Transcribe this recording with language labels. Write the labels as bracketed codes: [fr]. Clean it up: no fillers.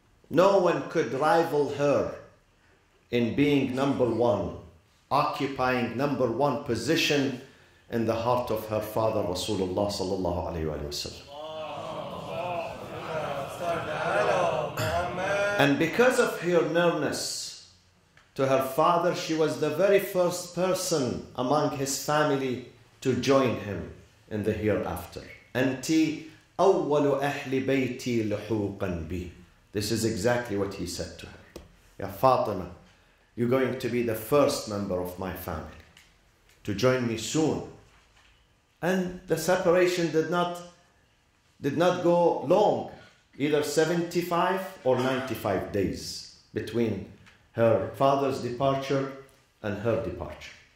[en] No one could rival her in being number one, occupying number one position in the heart of her father, Rasulullah sallallahu alayhi wa sallam. And because of her nearness to her father, she was the very first person among his family to join him in the hereafter. [ar] أنتي أول أهل بيتي لحوقا بي. [en] This is exactly what he said to her. Ya Fatima, you're going to be the first member of my family to join me soon. And the separation did not go long, either 75 or 95 days between her father's departure and her departure.